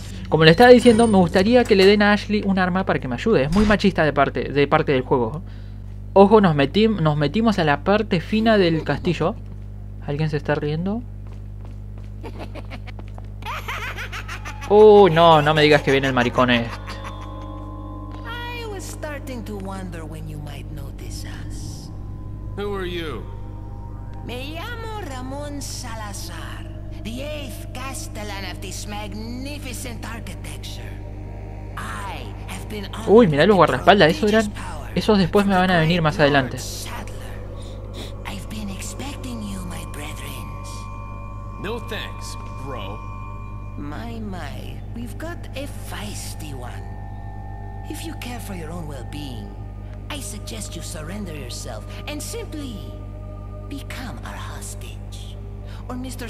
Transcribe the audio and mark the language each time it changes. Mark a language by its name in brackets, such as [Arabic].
[Spanish] Como le estaba diciendo, me gustaría que le den a Ashley un arma para que me ayude. Es muy machista de parte del juego. Ojo, nos metimos a la parte fina del castillo. ¿Alguien se está riendo? No me digas que viene el maricón este. [English] I was starting to wonder when you might notice us. Who are you? [Spanish] Me llamo [English] Ramón Salazar, the eighth castellan of this magnificent architecture. I have been on. [Spanish] Uy, mirá los guardaespaldas, esos eran. Esos después me van a venir más adelante. [English] I've been expecting you, my brethren. No thanks, bro. My, we've got a feisty one. If you care for your own well-being, I suggest you surrender yourself and simply become our hostage. Or Mr.